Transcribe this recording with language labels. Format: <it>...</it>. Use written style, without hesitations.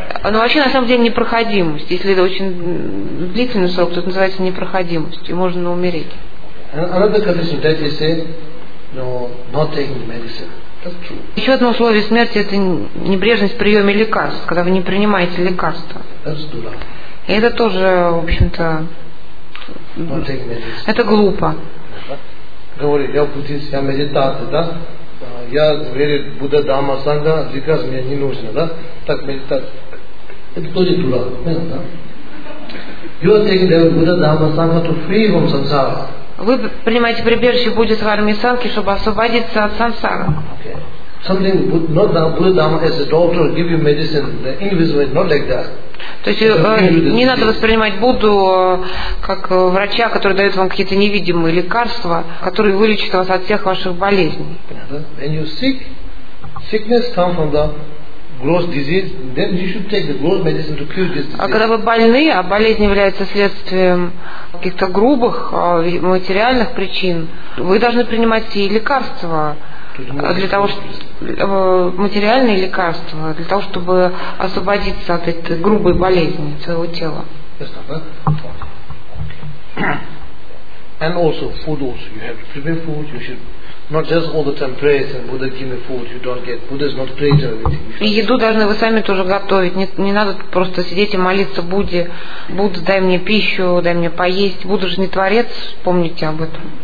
<ru>Но вообще на самом деле непроходимость. Если это очень длительный срок, то это называется непроходимость. И можно умереть.</ru> <en>Another condition that they say, not taking medicine. That's true.</en> <ru>Еще одно условие смерти это небрежность в приеме лекарств, когда вы не принимаете лекарства.</ru> <en>That's true.</en> <ru>И это тоже, в общем-то, это глупо. Говорю, я буддист, я медитатор, да? Я верю в Будда, Дхамма, Сангха, лекарь мне не нужно, да? Так, медитация. Это тоже дурак, да?</ru> <en>You are taking the Buddha, Dhamma, Sangha to free from samsara.</en> <ru>Вы принимаете прибежище Будды, Дхаммы и Сангхи, чтобы освободиться от сансары.</ru> <en>Something not that Buddha Dhamma as a doctor give you medicine the invisible not like that.</en> <ru>То есть не надо воспринимать Будду как врача, который дает вам какие-то невидимые лекарства, которые вылечат вас от всех ваших болезней.</ru> <en>When you sick, sickness comes from the gross disease, then you should take the gross medicine to cure this disease.</en> <ru>А когда вы больны, а болезнь является следствием каких-то грубых материальных причин, вы должны принимать и лекарства. Для того, чтобы материальные лекарства, для того, чтобы освободиться от этой грубой болезни своего тела.</ru> <en>And also food also. You have to prepare food. You should not just all the time pray and Buddha give me food. You don't get. Buddha is not creator of everything.</en> <ru>Еду должны вы сами тоже готовить. Не надо просто сидеть и молиться Будде. Будда, дай мне пищу, дай мне поесть. Будда же не творец, помните об этом.</ru>